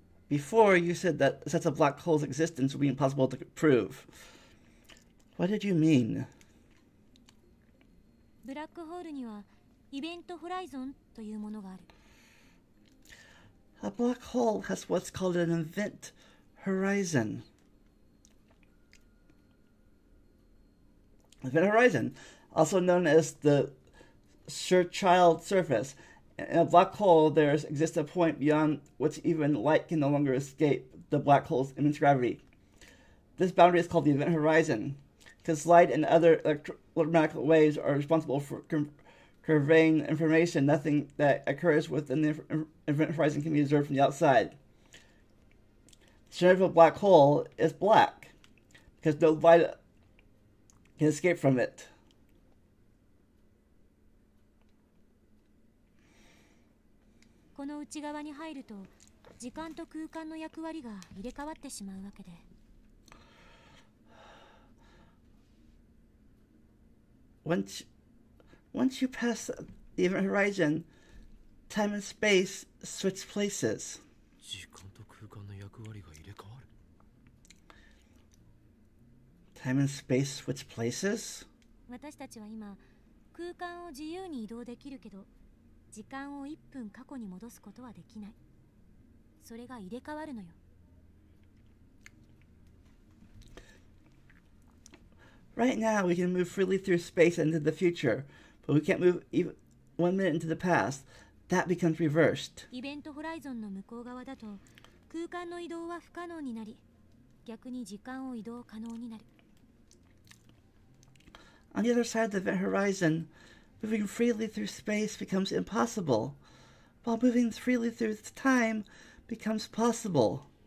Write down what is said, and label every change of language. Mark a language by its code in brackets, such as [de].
[en] Before, you said that sets of black holes' existence would be impossible to prove. What did you mean? [ja] ブラックホールにはイベントホライゾンというものがある。 [en] A black hole has what's called an event horizon. Event horizon, also known as the Schwarzschild surface. In a black hole, there exists a point beyond which even light can no longer escape the black hole's immense gravity. This boundary is called the event horizon, because light and other electromagnetic waves are responsible for conveying information. Nothing that occurs within the event horizon can be observed from the outside. The center of a black hole is black, because no light can escape from it. [ja] この内側に入ると、時間と空間の役割が入れ替わってしまうわけで。 [en] Once you pass the event horizon, time and space switch places. [ja] 時間と空間の役割が入れ替わる。 [en] Time and space switch places? [ja] 私たちは今、空間を自由に移動できるけど、時間を1分過去に戻すことはできない。それが入れ替わるのよ。 [en] Right now, we can move freely through space into the future, but we can't move even 1 minute into the past. That becomes reversed. [ja] イベントホライゾンの向こう側だと、空間の移動は不可能になり、逆に時間を移動可能になる。 [en] On the other side of the event horizon, moving freely through space becomes impossible, while moving freely through time becomes possible.